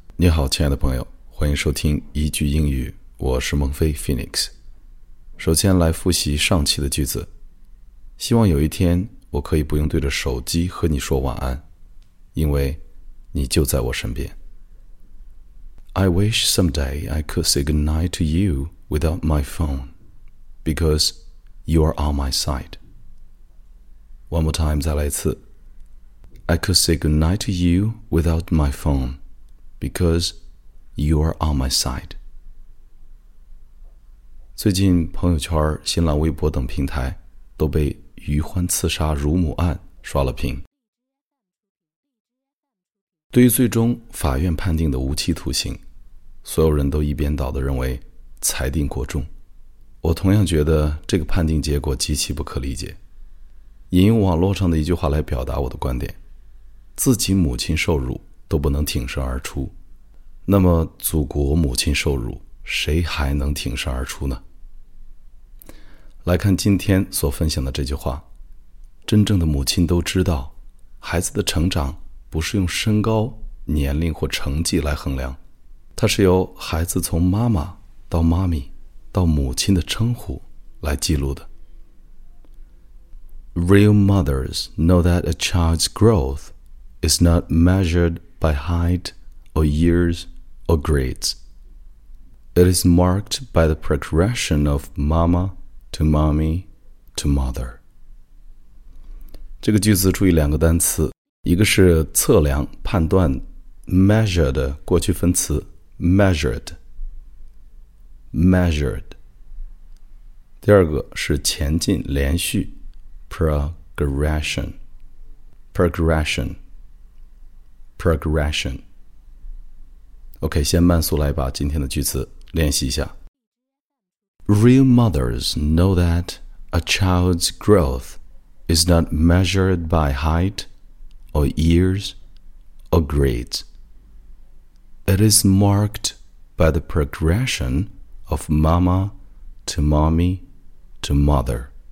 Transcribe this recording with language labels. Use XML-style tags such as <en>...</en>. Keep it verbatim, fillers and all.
<zh>你好，亲爱的朋友，欢迎收听一句英语。我是孟非 Phoenix。首先来复习上期的句子。希望有一天我可以不用对着手机和你说晚安，因为你就在我身边。</zh> <en>I wish someday I could say goodnight to you without my phone, because you are on my side. One more time,</en> <zh>再来一次。</zh> <en>I could say goodnight to you without my phone, because you are on my side.</en> <zh>最近朋友圈、新浪微博等平台都被余欢刺杀乳母案刷了屏。对于最终法院判定的无期徒刑，所有人都一边倒地认为裁定过重。我同样觉得这个判定结果极其不可理解。引用网络上的一句话来表达我的观点。自己母亲受辱都不能挺身而出，那么祖国母亲受辱，谁还能挺身而出呢？来看今天所分享的这句话。真正的母亲都知道，孩子的成长不是用身高、年龄或成绩来衡量，它是由孩子从妈妈到妈咪到母亲的称呼来记录的。</zh> <en>Real mothers know that a child's growth is not measured by height or years or grades. It is marked by the progression of mama to mommy to mother.</en> <zh>这个句子注意两个单词，一个是测量、判断 measure 的过去分词 measured, measured. 第二个是前进、连续 progression, progression. Progression. OK, 先慢速来把今天的句子练习一下。</zh> <en>Real mothers know that a child's growth is not measured by height or years or grades. It is marked by the progression of mama to mommy to mother.</en>